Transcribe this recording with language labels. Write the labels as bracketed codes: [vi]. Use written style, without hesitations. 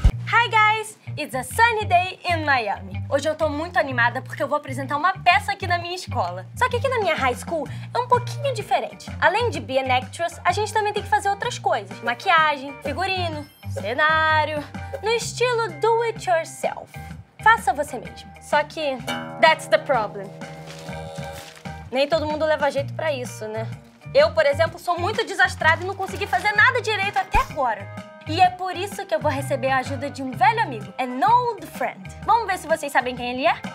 [en] Hi, guys. It's a sunny day in Miami. [pt] Hoje eu tô muito animada porque eu vou apresentar uma peça aqui na minha escola. Só que aqui na minha high school é um pouquinho diferente. Além de [en] be an actress, [pt] a gente também tem que fazer outras coisas. Maquiagem, figurino, cenário. No estilo [en] do it yourself. [pt] Faça você mesmo. Só que [en] that's the problem. [pt] Nem todo mundo leva jeito pra isso, né? Eu, por exemplo, sou muito desastrada e não consegui fazer nada direito até agora. E é por isso que eu vou receber a ajuda de um velho amigo. [en] An old friend. [pt] Vamos ver se vocês sabem quem ele é?